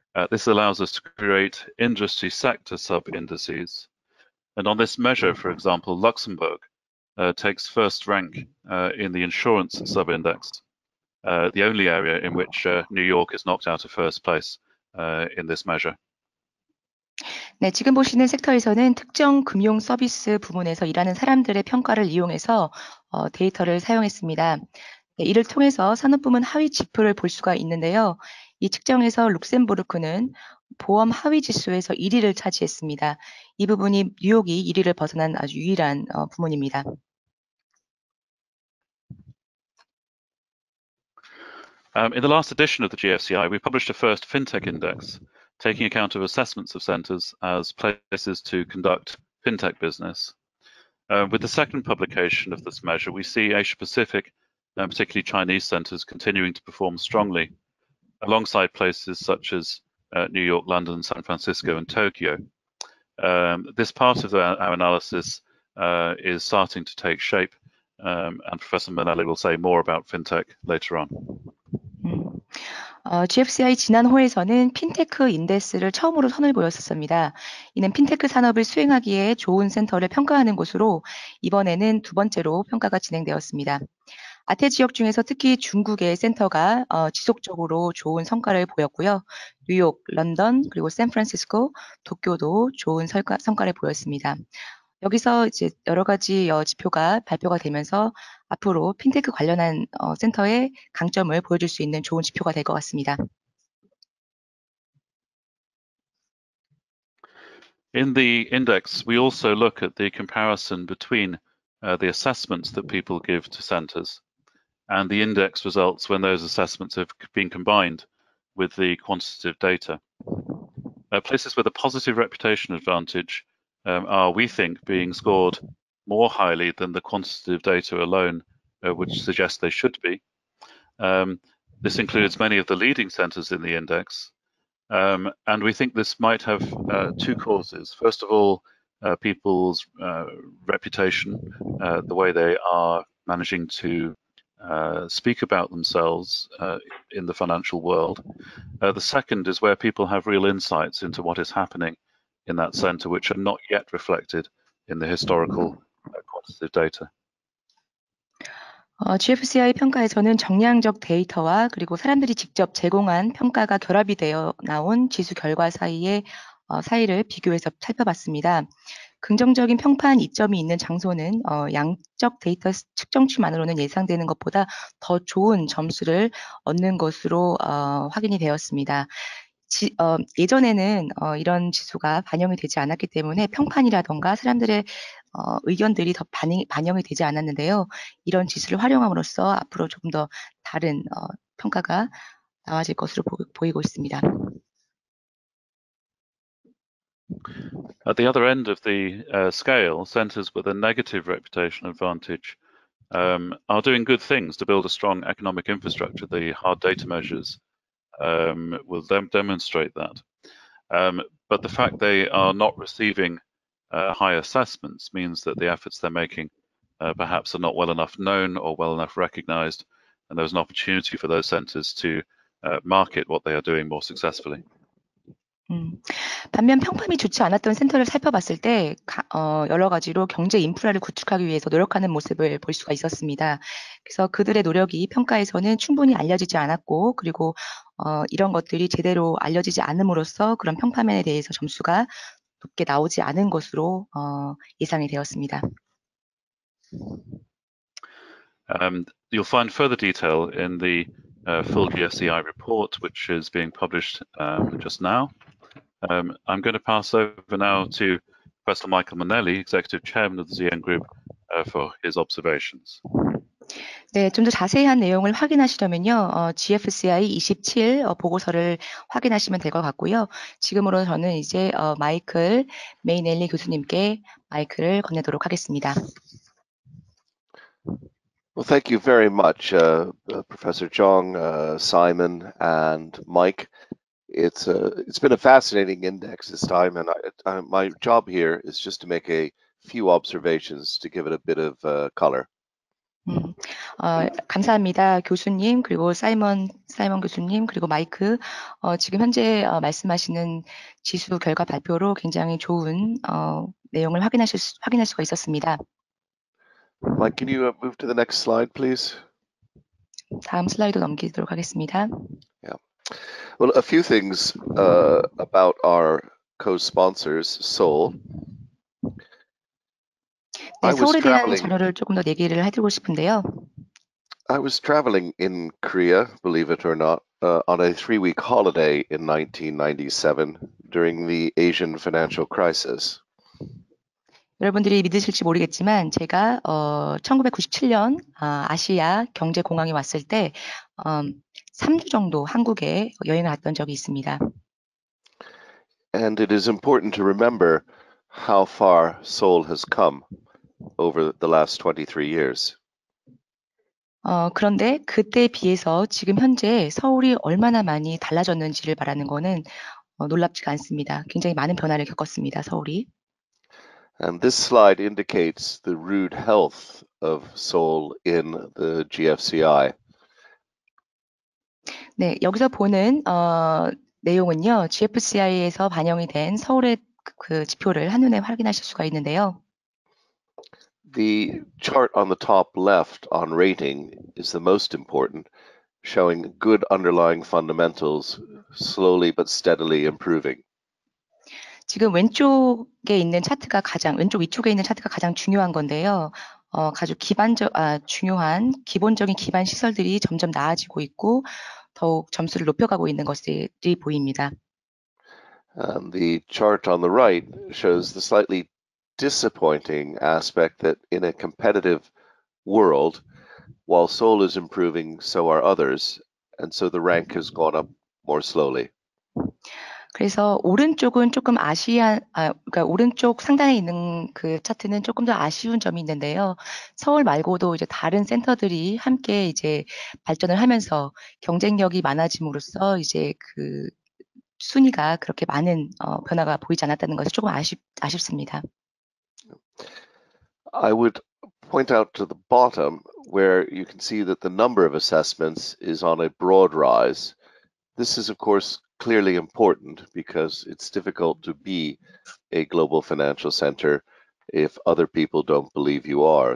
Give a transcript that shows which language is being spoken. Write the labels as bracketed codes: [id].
[en] This allows us to create industry sector sub-indices. And on this measure, for example, Luxembourg takes first rank in the insurance sub-index, the only area in which New York is knocked out of first place in this measure. [ko] 네, 지금 보시는 섹터에서는 특정 금융 서비스 부문에서 일하는 사람들의 평가를 이용해서 데이터를 사용했습니다. 네, 이를 통해서 산업 부문 하위 지표를 볼 수가 있는데요. 이 측정에서 룩셈부르크는 보험 하위 지수에서 1위를 차지했습니다. 이 부분이 뉴욕이 1위를 벗어난 아주 유일한 부문입니다. [en] In the last edition of the GFCI, we published a first fintech index, taking account of assessments of centres as places to conduct fintech business. With the second publication of this measure, we see Asia-Pacific, and particularly Chinese centres, continuing to perform strongly alongside places such as New York, London, San Francisco and Tokyo. This part of our analysis is starting to take shape, and Professor Mainelli will say more about fintech later on. [ko] GFCI 지난호에서는 핀테크 인덱스를 처음으로 선을 보였었습니다. 이는 핀테크 산업을 수행하기에 좋은 센터를 평가하는 곳으로 이번에는 두 번째로 평가가 진행되었습니다. 아태 지역 중에서 특히 중국의 센터가 지속적으로 좋은 성과를 보였고요. 뉴욕, 런던, 그리고 샌프란시스코, 도쿄도 좋은 성과를 보였습니다. 여기서 이제 여러 가지 지표가 발표가 되면서 앞으로 핀테크 관련한 센터의 강점을 보여줄 수 있는 좋은 지표가 될 것 같습니다. [en] In the index, we also look at the comparison between the assessments that people give to centers and the index results when those assessments have been combined with the quantitative data. Places with a positive reputation advantage are, we think, being scored more highly than the quantitative data alone, which suggests they should be. This includes many of the leading centres in the index, and we think this might have two causes. First of all, people's reputation, the way they are managing to speak about themselves in the financial world. The second is where people have real insights into what is happening in that center, which are not yet reflected in the historical quantitative data. [ko] GFCI 평가에서는 정량적 데이터와 그리고 사람들이 직접 제공한 평가가 결합이 되어 나온 지수 결과 사이의 사이를 비교해서 살펴봤습니다. 긍정적인 평판 이점이 있는 장소는 양적 데이터 측정치만으로는 예상되는 것보다 더 좋은 점수를 얻는 것으로 확인이 되었습니다. 예전에는 이런 지수가 반영이 되지 않았기 때문에 평판이라던가 사람들의 의견들이 더 반영이 되지 않았는데요. 이런 지수를 활용함으로써 앞으로 조금 더 다른 평가가 나아질 것으로 보이고 있습니다. [en] At the other end of the scale, centers with a negative reputation advantage are doing good things to build a strong economic infrastructure, the hard data measures. Will demonstrate that. But the fact they are not receiving high assessments means that the efforts they're making perhaps are not well enough known or well enough recognized, and there's an opportunity for those centers to market what they are doing more successfully. [ko] 반면 평판이 좋지 않았던 센터를 살펴봤을 때 여러 가지로 경제 인프라를 구축하기 위해서 노력하는 모습을 볼 수가 있었습니다. 그래서 그들의 노력이 평가에서는 충분히 알려지지 않았고 그리고 이런 것들이 제대로 알려지지 않음으로써 그런 평판면에 대해서 점수가 높게 나오지 않은 것으로 예상이 되었습니다. [en] You'll find further detail in the full GFCI report, which is being published just now. I'm going to pass over now to Professor Michael Mainelli, Executive Chairman of the ZN Group, for his observations. [ko] 네, 좀 더 자세한 내용을 확인하시려면요, GFCI 27 보고서를 확인하시면 될 것 같고요. 지금으로 저는 이제 마이클 메이넬리 교수님께 마이크를 건네도록 하겠습니다. [en] Well, thank you very much, Professor Zhang, Simon, and Mike. It's been a fascinating index this time, and my job here is just to make a few observations to give it a bit of color. [ko] 감사합니다, 교수님, 그리고 사이먼 교수님, 그리고 마이크. 지금 현재 말씀하시는 지수 결과 발표로 굉장히 좋은 내용을 확인할 수가 있었습니다. [en] Mike, can you move to the next slide, please? [ko] 다음 슬라이드 넘기도록 하겠습니다. [en] Yeah. Well, a few things about our co-sponsors, Seoul. [ko] 네, 서울에 대한 전화를 조금 더 얘기를 해드리고 싶은데요. [en] I was traveling in Korea, believe it or not, on a three-week holiday in 1997 during the Asian financial crisis. [ko] 여러분들이 믿으실지 모르겠지만 제가 1997년 아시아 경제 공황이 왔을 때 3주 정도 한국에 여행을 갔던 적이 있습니다. [en] And it is important to remember how far Seoul has come over the last 23 years. [ko] 그런데 그때에 비해서 지금 현재 서울이 얼마나 많이 달라졌는지를 말하는 것은 놀랍지가 않습니다. 굉장히 많은 변화를 겪었습니다, 서울이. [en] And this slide indicates the rude health of Seoul in the GFCI. [ko] 네, 여기서 보는 내용은요, GFCI에서 반영이 된 서울의 그 지표를 한눈에 확인하실 수가 있는데요. [en] The chart on the top left on rating is the most important, showing good underlying fundamentals slowly but steadily improving. [ko] 지금 왼쪽에 있는 차트가 가장 왼쪽 위쪽에 있는 차트가 가장 중요한 건데요. 아주 중요한 기본적인 기반 시설들이 점점 나아지고 있고 더욱 점수를 높여가고 있는 것들이 보입니다. [en] And the chart on the right shows the slightly disappointing aspect that in a competitive world, while Seoul is improving, so are others, and so the rank has gone up more slowly. [ko] 그래서 오른쪽은 조금 그러니까 오른쪽 상단에 있는 그 차트는 조금 더 아쉬운 점이 있는데요. 서울 말고도 이제 다른 센터들이 함께 이제 발전을 하면서 경쟁력이 많아짐으로써 이제 그 순위가 그렇게 많은 변화가 보이지 않았다는 것이 조금 아쉽습니다. [en] I would point out to the bottom where you can see that the number of assessments is on a broad rise. This is of course clearly important because it's difficult to be a global financial center if other people don't believe you are.